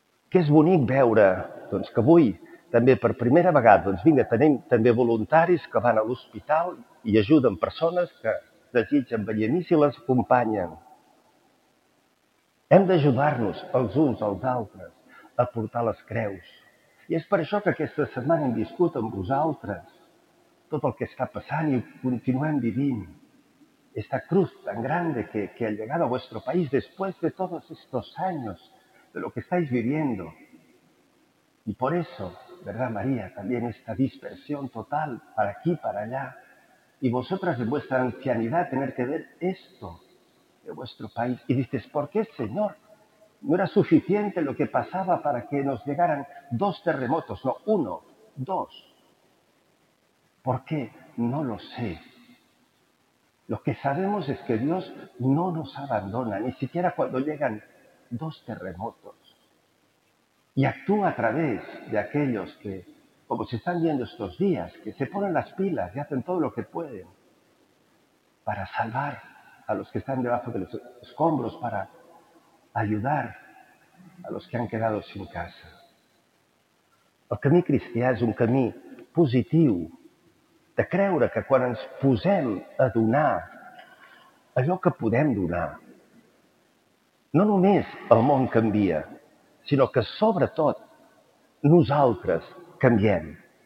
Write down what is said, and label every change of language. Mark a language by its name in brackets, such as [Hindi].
[Catalan] Que és bonic veure doncs, que avui, també per primera vegada, doncs vinga, tenim també voluntaris que van a l'hospital i ajuden persones que desitgen venir i les acompanyen. Hem d'ajudar-nos els uns als altres a portar les creus. I és per això que aquesta setmana hem viscut amb vosaltres tot el que està passant i continuem vivint. [Spanish] Esta cruz tan grande que ha llegado a vuestro país después de todos estos años de lo que estáis viviendo. Y por eso, ¿verdad, María? También esta dispersión total para aquí, para allá. Y vosotras en vuestra ancianidad tener que ver esto de vuestro país. Y dices, ¿por qué, Señor? No era suficiente lo que pasaba para que nos llegaran dos terremotos. No, uno, dos. ¿Por qué? No lo sé. Lo que sabemos es que Dios no nos abandona, ni siquiera cuando llegan dos terremotos. Y actúa a través de aquellos que, como se están viendo estos días, que se ponen las pilas y hacen todo lo que pueden para salvar a los que están debajo de los escombros, para ayudar a los que han quedado sin casa. [Catalan] El camí cristià és un camí positiu, de creure que quan ens posem a donar allò que podem donar, no només el món canvia, sinó que sobretot nosaltres canviem.